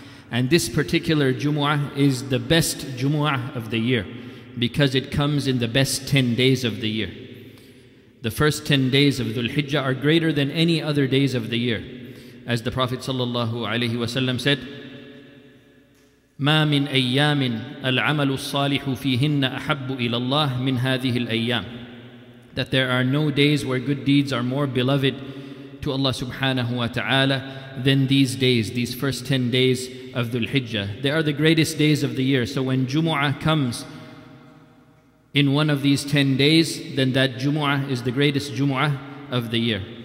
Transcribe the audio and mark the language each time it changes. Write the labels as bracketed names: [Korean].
[English] And this particular Jumu'ah is the best Jumu'ah of the year because it comes in the best 10 days of the year. The first 10 days of Dhul-Hijjah are greater than any other days of the year. As the Prophet sallallahu alaihi wasallam said, [Arabic] مَا مِنْ أَيَّامٍ الْعَمَلُ الصَّالِحُ فِيهِنَّ أَحَبُّ إِلَى اللَّهِ مِنْ هَذِهِ الْأَيَّامِ. [English] That there are no days where good deeds are more beloved to Allah subhanahu wa ta'ala than these days, these first 10 days of Dhul-Hijjah. They are the greatest days of the year. So when Jumu'ah comes in one of these 10 days, then that Jumu'ah is the greatest Jumu'ah of the year.